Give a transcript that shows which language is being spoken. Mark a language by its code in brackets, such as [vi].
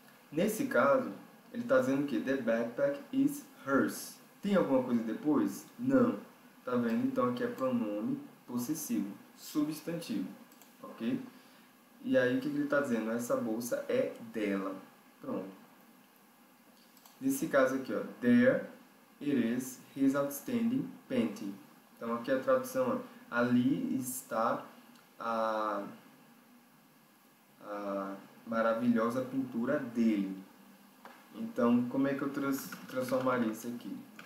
[pt] Nesse caso, ele está dizendo o quê? [en] The backpack is hers. [pt] Tem alguma coisa depois? Não. Tá vendo? Então, aqui é pronome possessivo. Substantivo. Ok? E aí, o que ele está dizendo? Essa bolsa é dela. Pronto. Nesse caso aqui, ó, [en] there it is, his outstanding painting. [pt] Então, aqui a tradução, ó, ali está a maravilhosa pintura dele. Então, como é que eu transformaria isso aqui?